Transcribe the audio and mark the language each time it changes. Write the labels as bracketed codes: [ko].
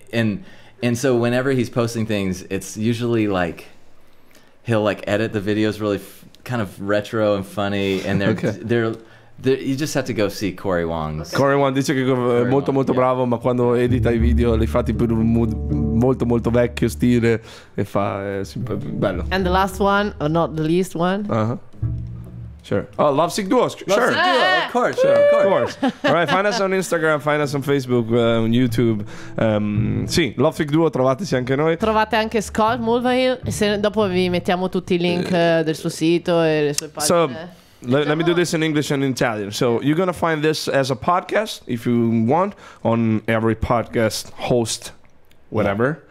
[en] And so whenever he's posting things, it's usually like, he'll like edit the videos really kind of retro and funny, and they're you just have to go see Corey Wong. Okay. [it] Corey Wong dice che è molto Wong, molto yeah. bravo, ma quando edita i video li fa tipo un mood molto molto vecchio stile e fa super bello. [en] And the last one, or not the least one. Sure. Oh, Lovesick Duo. Sure. Lovesick Duo, of course. Sure, of course. All right, find us on Instagram, find us on Facebook, on YouTube. [it] Sì, Lovesick Duo, trovateci anche noi. Trovate anche Scott Mulvahill. Dopo vi mettiamo tutti i link del suo sito e le sue pagine. [en] So, let me do this in English and in Italian. So, you're going to find this as a podcast, if you want, on every podcast host, whatever.